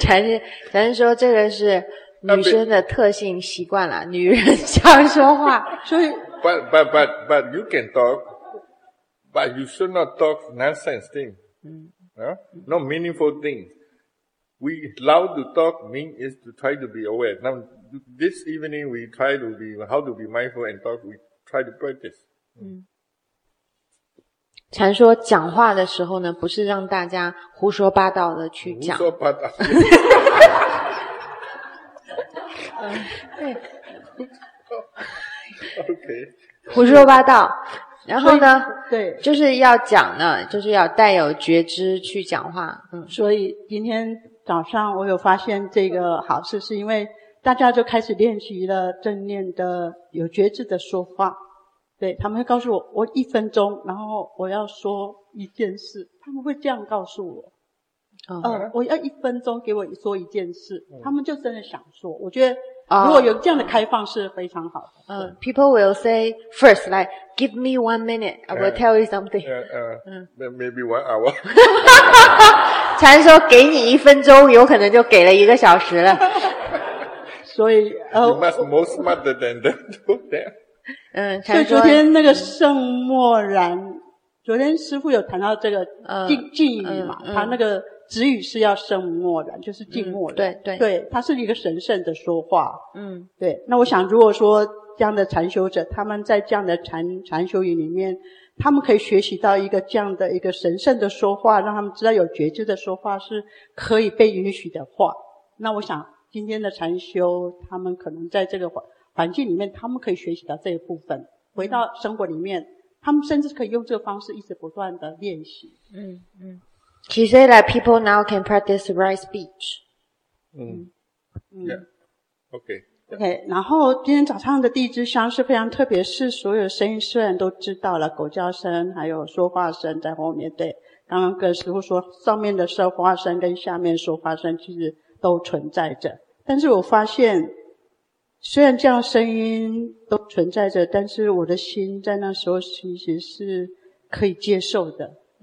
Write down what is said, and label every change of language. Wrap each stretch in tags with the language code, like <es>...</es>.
<zh>着才说这个是女生的特性习惯了女人想说话所以</zh> <en>But you can talk, but you should not talk nonsense thing, no meaningful thing. We love to talk mean is to try to be aware. Now, this evening we try to be, how to be mindful and talk, we try to practice.</en> <zh>禅说讲话的时候呢不是让大家胡说八道的去讲。胡说八道。</zh> <en>Okay.</en> <zh>胡说八道然后呢对就是要讲呢就是要带有觉知去讲话所以今天早上我有发现这个好事是因为大家就开始练习了正念的有觉知的说话对他们会告诉我我一分钟然后我要说一件事他们会这样告诉我、我要一分钟给我说一件事他们就真的想说我觉得如果有这样的开放是非常好的。</zh> <en>People will say first, like, give me 1 minute, I will tell you something. Maybe 1 hour.</en> <zh>禅说给你一分钟有可能就给了一个小时了。所以</zh> <en>You must more smarter than them do that.</en> <zh>所以昨天那个圣默然昨天师父有谈到这个静语嘛他那个止语是要圣默然就是静默然、对对对它是一个神圣的说话对那我想如果说这样的禅修者他们在这样的禅修语里面他们可以学习到一个这样的一个神圣的说话让他们知道有觉知的说话是可以被允许的话那我想今天的禅修他们可能在这个环境里面他们可以学习到这一部分回到生活里面他们甚至可以用这个方式一直不断的练习</zh> <en>She said that people now can practice right speech. Yeah. Okay. Yeah. Okay.</en> <zh>然后今天早上的第一支香是非常特别，是所有声音虽然都知道了，狗叫声还有说话声在后面。对，刚刚跟师父说，上面的说话声跟下面说话声其实都存在着。但是我发现，虽然这样声音都存在着，但是我的心在那时候其实是可以接受的。</zh>